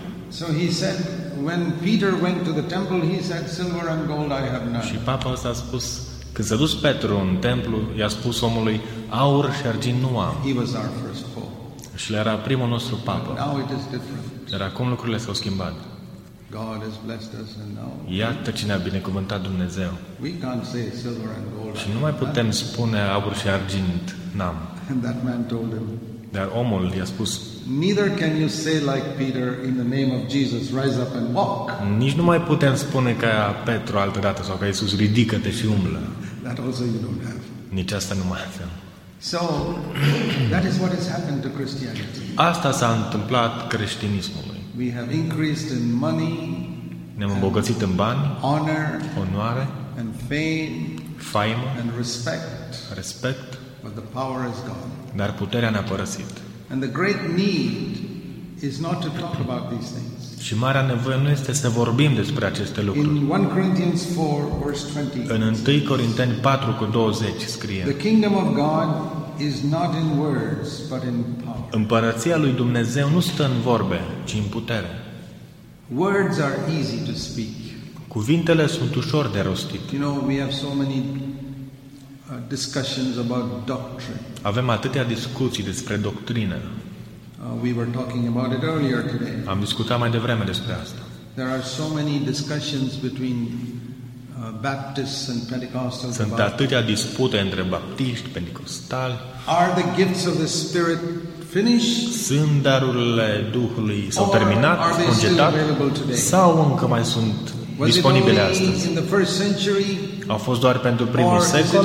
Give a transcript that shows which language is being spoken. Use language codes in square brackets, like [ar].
[en] So he said when Peter went to the temple he said silver and gold I have none. [ro] Și papa s-a spus când s-a dus Petru în templu, i-a spus omului aur și argint nu am. [en] He was our first pope. [ro] Și era primul nostru papă. [en] Now it is different. [ro] Dar acum lucrurile s-au schimbat. [en] God has blessed us and now. [ro] Iată ce ne-a binecuvântat Dumnezeu. [en] We can't say silver and gold. [ro] Și nu mai putem spune aur și argint, n-am. [en] And that man told him. [ro] Dar omul i-a spus. [en] Neither can you say like Peter in the name of Jesus, rise up and walk. [ro] Nici nu mai putem spune ca Petru altă dată sau ca Iisus, ridică-te și umblă. [en] That also you don't have. [ro] Nici asta nu mai avem. [en] So that is what has happened to Christianity. [ro] Asta s-a întâmplat creștinismului. [en] We have increased in money. [ro] Ne-am îmbogățit în bani. [en] Honor. [ro] Onoare. [en] And fame. [ro] Faimă. [en] And respect. [ro] Respect. [en] But the power is gone. [ro] Dar puterea ne-a părăsit. [en] And the great need is not to talk about these things. [ro] Și marea nevoie nu este să vorbim despre aceste lucruri. [en] In 1 Corinthians 4 verse 20. [ro] În 1 Corinteni 4 cu 20 scrie. [en] The kingdom of God is not in words, but in power. [ro] Împărăția lui Dumnezeu nu stă în vorbe, ci în putere. [en] Words are easy to speak. [ro] Cuvintele sunt ușor de rostit. [en] You know, we have so many discussions about doctrine. [ro] Avem atâtea discuții despre doctrină. [en] We were talking about it earlier today. [ro] Am discutat mai devreme despre asta. [en] There are so many discussions between Baptists and Pentecostals. [ro] Sunt atâtea dispute între baptiști, pentecostali. [en] Are the gifts of the Spirit finished? [ro] Sunt darurile Duhului sau terminat, cugetat? [en] Are they still available today? [ro] Sau încă mai sunt disponibile astăzi? [en] In the first century? [ro] Au fost doar pentru primul secol?